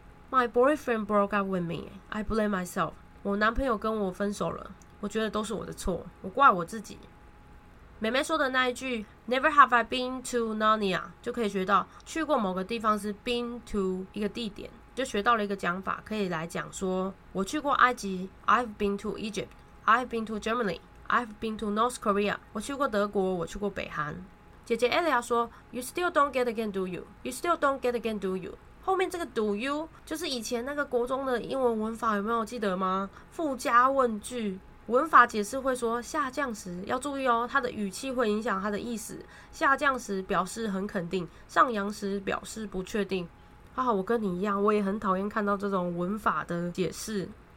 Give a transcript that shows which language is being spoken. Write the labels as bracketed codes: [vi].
[en] My boyfriend broke up with me， I blame myself。 [zh] 我男朋友跟我分手了，我觉得都是我的错，我怪我自己。妹妹说的那一句 [en] Never have I been to Narnia， [zh] 就可以学到去过某个地方是 been to 一个地点，就学到了一个讲法，可以来讲说我去过埃及， [en] I've been to Egypt， I've been to GermanyI've been to North Korea， [zh] 我去过德国，我去过北韩。姐姐 [en] Elia [zh] 说 [en] You still don't get again do you， You still don't get again do you。 [zh] 后面这个 do you 就是以前那个国中的英文文法，有没有记得吗？附加问句文法解释会说下降时要注意哦，它的语气会影响它的意思，下降时表示很肯定，上扬时表示不确定。哈哈，我跟你一样，我也很讨厌看到这种文法的解释。